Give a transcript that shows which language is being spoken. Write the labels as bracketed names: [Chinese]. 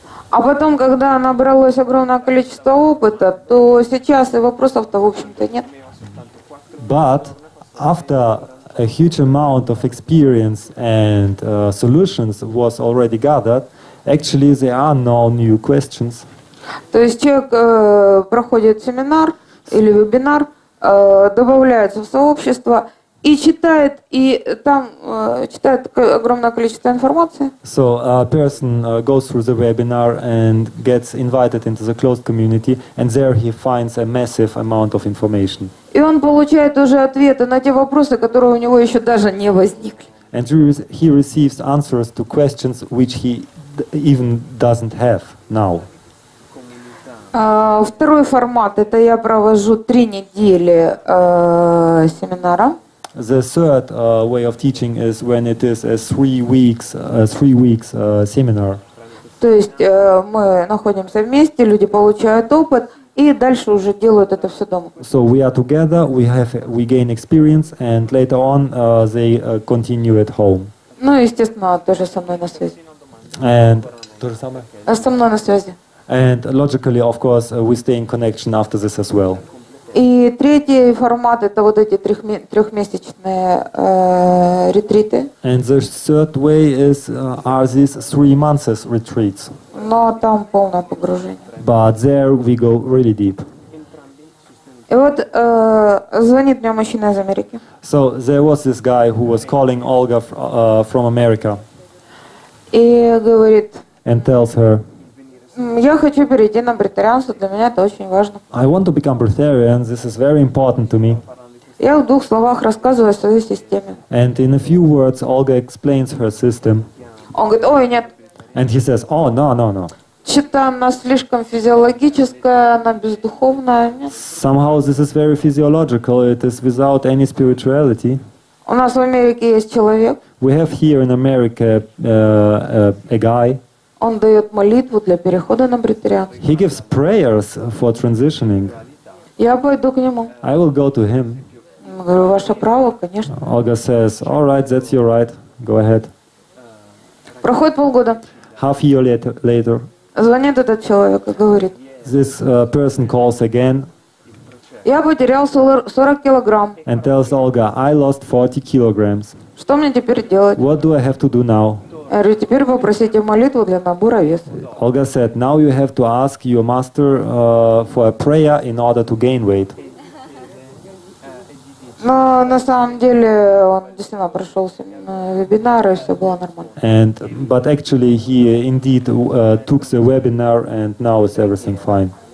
[Russian] А потом, когда набралось огромное количество опыта, то сейчас и вопросов-то, в общем-то, нет. [English] But after a huge amount of experience and solutions was already gathered, actually there are no new questions. [Russian] То есть человек проходит семинар или вебинар, добавляется в сообщество и читает, и там читает огромное количество информации. [English] So a person goes through the webinar and gets invited into the closed community, and there he finds a massive amount of information. [Russian] И он получает уже ответы на те вопросы, которые у него еще даже не возникли. [English] And he receives answers to questions which he even doesn't have now. [Russian] Второй формат, это я провожу 3 недели семинара. [English] The third way of teaching is when it is a three weeks seminar. [Russian] То есть мы находимся вместе, люди получают опыт и дальше уже делают это все дома. [English] So we are together, we gain experience, and later on they continue at home. [Russian] Ну, естественно, тоже со мной на связи. [English] And [Russian] то же самое. Со мной на связи. [English] And logically, of course, we stay in connection after this as well. [Russian] И третий формат это вот эти трехмесячные ретриты. [English] And the third way is are these 3 months retreats. [Russian] Но там полное погружение. [English] But there we go really deep. [Russian] И вот звонит мне мужчина из Америки. [English] So there was this guy who was calling Olga from America. [Russian] И говорит. [English] And tells her. [Russian] Я хочу перейти на бретарианство, для меня это очень важно. [English] I want to become bretarian, this is very important to me. [Russian] Я в 2 словах рассказываю о своей системе. [English] And in a few words, Olga explains her system. [Russian] Он говорит, ой, нет. [English] And he says, oh, no. [Russian] Что-то она слишком физиологическая, она бездуховная, нет. [English] Somehow this is very physiological, it is without any spirituality. [Russian] У нас в Америке есть человек. [English] We have here in America a guy. [Russian] Он дает молитву для перехода на бретарианство. [English] He gives prayers for transitioning. [Russian] Я пойду к нему. [English] I will go to him. [Russian] Говорю, ваше право, конечно. [English] Olga says, all right, that's your right, go ahead. [Russian] Проходит полгода. [English] Half year later. [Russian] Звонит этот человек и говорит. [English] This person calls again. [Russian] Я потерял 40 килограмм. [English] And tells Olga, I lost 40 kilograms. [Russian] Что мне теперь делать? [English] What do I have to do now? [Russian] Я говорю, теперь попросите молитву для набора веса. [English] Olga said, now you have to ask your master for a prayer in order to gain weight. [Russian] Но на самом деле он действительно прошел вебинар и все было нормально. [English] And but actually he indeed took the webinar and now is everything fine.